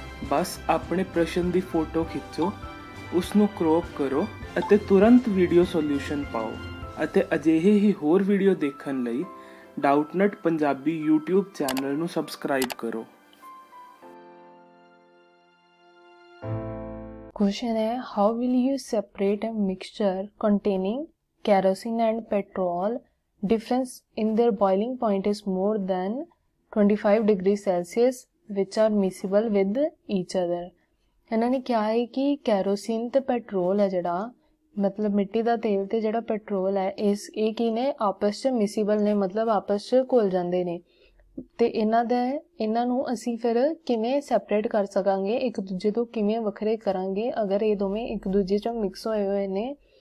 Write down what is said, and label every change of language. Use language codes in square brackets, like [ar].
[pa] ਬਸ ਆਪਣੇ ਪ੍ਰਸ਼ਨ ਦੀ ਫੋਟੋ ਖਿੱਚੋ, ਉਸਨੂੰ ਕ੍ਰੋਪ ਕਰੋ ਅਤੇ ਤੁਰੰਤ ਵੀਡੀਓ ਸੋਲਿਊਸ਼ਨ ਪਾਓ। ਅਤੇ ਅਜਿਹੇ ਹੀ ਹੋਰ ਵੀਡੀਓ ਦੇਖਣ ਲਈ ਡਾਊਟਨਟ ਪੰਜਾਬੀ ਯੂਟਿਊਬ ਚੈਨਲ ਨੂੰ ਸਬਸਕ੍ਰਾਈਬ ਕਰੋ। [en] Question hai, how will you separate a mixture containing kerosene and petrol? Difference in their boiling point is more than 25 degrees Celsius, which are miscible with each other. [pa] ਇਹਨਾਂ ਨੇ ਕਿਹਾ ਹੈ ਕਿ kerosene ਅਤੇ petrol ਹੈ ਜਿਹੜਾ, ਮਤਲਬ ਮਿੱਟੀ ਦਾ ਤੇਲ ਅਤੇ ਜਿਹੜਾ ਪੈਟਰੋਲ ਹੈ, ਇਸ ਇਹ ਕੀ ਨੇ, ਆਪਸ 'ਚ ਮਿਸੀਬਲ ਨੇ, ਮਤਲਬ ਆਪਸ 'ਚ ਘੁਲ ਜਾਂਦੇ ਨੇ। ਅਤੇ ਇਹਨਾਂ ਦਾ ਇਹਨਾਂ ਨੂੰ ਅਸੀਂ ਫਿਰ ਕਿਵੇਂ ਸੈਪਰੇਟ ਕਰ ਸਕਾਂਗੇ, ਇੱਕ ਦੂਜੇ ਤੋਂ ਕਿਵੇਂ ਵੱਖਰੇ ਕਰਾਂਗੇ ਅਗਰ ਇਹ ਦੋਵੇਂ ਇੱਕ ਦੂਜੇ 'ਚੋਂ ਮਿਕਸ ਹੋਏ ਹੋਏ ਨੇ।